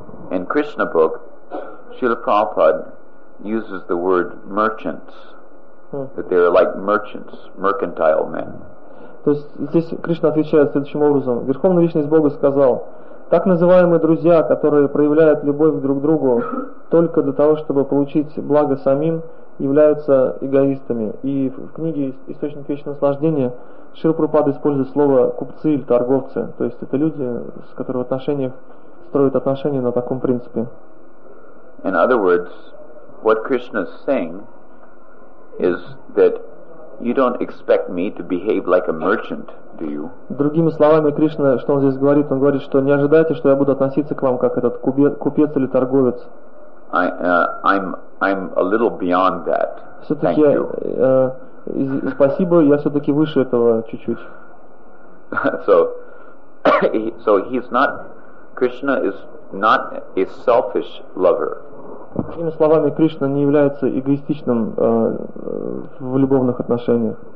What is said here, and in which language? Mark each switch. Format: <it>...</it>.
<en>In Krishna book, Srila Prabhupada uses the word merchants, that they are like merchants, mercantile men.</en> <ru>То есть здесь Кришна отвечает следующим образом. Верховная Личность Бога сказал: так называемые друзья, которые проявляют любовь друг к другу только для того, чтобы получить благо самим, являются эгоистами. И в книге «Источник вечного наслаждения» Шрила Прабхупада использует слово «купцы» или «торговцы». То есть это люди, с которыми в отношениях строят отношения на таком принципе.</ru> <en>In other words, what Krishna is saying is that you don't expect me to behave like a merchant, do you?</en> <ru>Другими словами, Кришна, что он здесь говорит, он говорит, что не ожидайте, что я буду относиться к вам как этот купец или торговец.</ru> <en>I'm a little beyond that.</en> <ru>Все-таки,</ru> <en>thank you.</en> <ru>Спасибо, я все-таки выше этого чуть-чуть.</ru> <en>So he's not, Krishna is not a selfish lover.</en> <ru>Другими словами, Кришна не является эгоистичным в любовных отношениях.</ru>